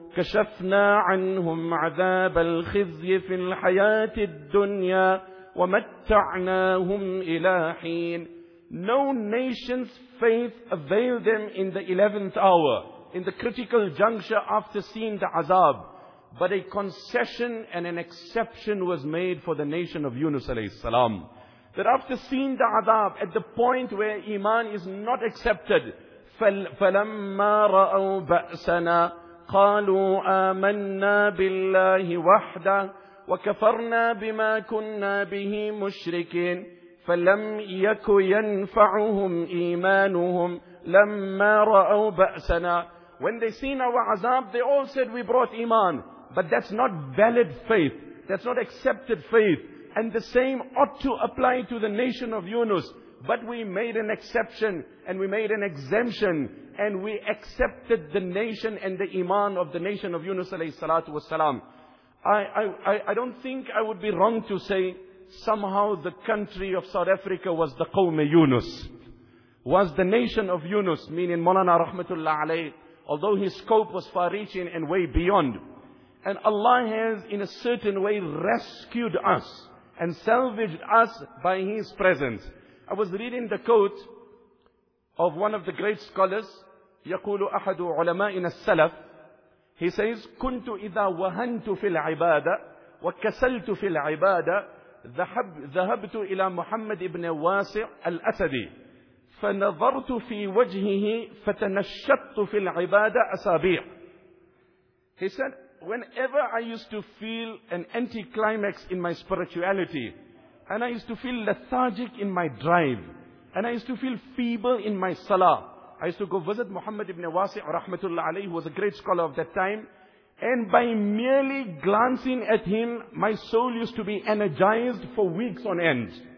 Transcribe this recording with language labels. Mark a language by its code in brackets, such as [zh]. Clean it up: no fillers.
[ar] كشفنا عنهم عذاب الخزي في الحياة الدنيا ومتعناهم إلى حين. [en] No nation's faith availed them in the 11th hour, in the critical juncture after seeing the azab. But a concession and an exception was made for the nation of Yunus alayhi salam. That after seeing the azab, at the point where iman is not accepted, [ar] فَلَمَّا رَأَوْا بَأْسَنَا قَالُوا آمَنَّا بِاللَّهِ وَحْدَهُ وَكَفَرْنَا بِمَا كُنَّا بِهِ مُشْرِكِينَ فَلَمْ يَكُ يَنْفَعُهُمْ إِيمَانُهُمْ لَمَّا رَأَوْا بَأْسَنَا. [en] When they seen our azab, they all said, we brought iman. But that's not valid faith. That's not accepted faith. And the same ought to apply to the nation of Yunus. But we made an exception and we made an exemption and we accepted the nation and the iman of the nation of Yunus alayhi salatu wasalam. I don't think I would be wrong to say somehow the country of South Africa was the qawm Yunus, was the nation of Yunus, meaning Mawlana Rahmatullah alayhi, although his scope was far reaching and way beyond. And Allah has in a certain way rescued us and salvaged us by His presence. I was reading the quote of one of the great scholars, [ar] يقول أحد علمائنا السلف. [en] He says, [ar] كنت إذا وهنت في العبادة وكسلت في العبادة ذهبت إلى محمد بن واسع الأسدي فنظرت في وجهه فتنشطت في العبادة أسابيع. [en] He said, whenever I used to feel an anticlimax in my spirituality, and I used to feel lethargic in my drive, and I used to feel feeble in my salah, I used to go visit Muhammad ibn Wasi' rahmatullah alayhi, who was a great scholar of that time, and by merely glancing at him, my soul used to be energized for weeks on end.